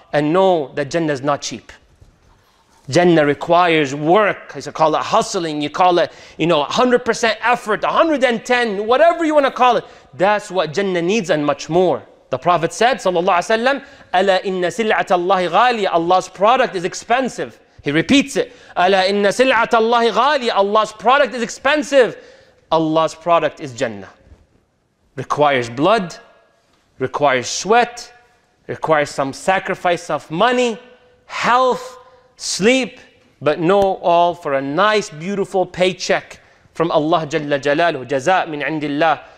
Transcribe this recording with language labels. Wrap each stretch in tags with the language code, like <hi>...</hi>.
<en>And know that Jannah is not cheap. Jannah requires work. You call it hustling. You call it, you know, 100% effort, 110, whatever you want to call it. That's what Jannah needs and much more. The Prophet said, sallallahu alayhi wa sallam,</en> <ar>أَلَا إِنَّ سِلْعَةَ اللَّهِ غَالِيَ,</ar> <en>Allah's product is expensive. He repeats it.</en> <ar>أَلَا إِنَّ سِلْعَةَ اللَّهِ غَالِيَ,</ar> <en>Allah's product is expensive. Allah's product is Jannah. Requires blood, requires sweat, requires some sacrifice of money, health, sleep, but no, all for a nice, beautiful paycheck from Allah Jalla Jalaluhu,</en> <ar>جَزَاء مِنْ عِنْدِ اللَّهِ.</ar>